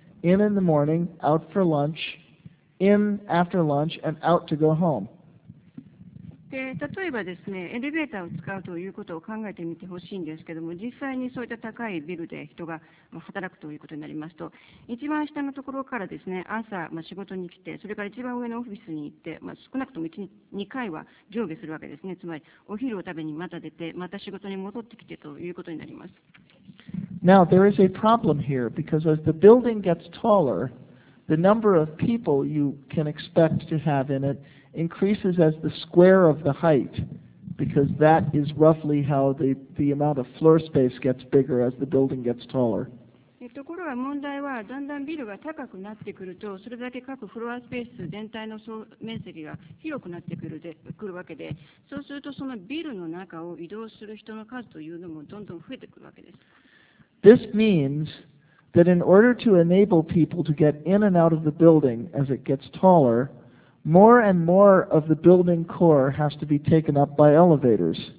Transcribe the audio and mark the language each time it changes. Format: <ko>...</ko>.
<en>In the morning, out for lunch, in after lunch, and out to go home.</en> <ja>で例えばですね、エレベーターを使うということを考えてみてほしいんですけども、実際にそういった高いビルで人が働くということになりますと、一番下のところからですね、朝、まあ、仕事に来て、それから一番上のオフィスに行って、まあ、少なくとも1、2回は上下するわけですね。つまり、お昼を食べにまた出て、また仕事に戻ってきてということになります。</ja> <en>Now, there is a problem here because as the building gets taller, the number of people you can expect to have in it increases as the square of the height because that is roughly how the amount of floor space gets bigger as the building gets taller.</en> <ja>ところが問題は、だんだんビルが高くなってくると、それだけ各フロアスペース全体の総面積が広くなってくるわけで、そうするとそのビルの中を移動する人の数というのもどんどん増えてくるわけです。</ja> <en>This means that in order to enable people to get in and out of the building as it gets taller, more and more of the building core has to be taken up by elevators.</en>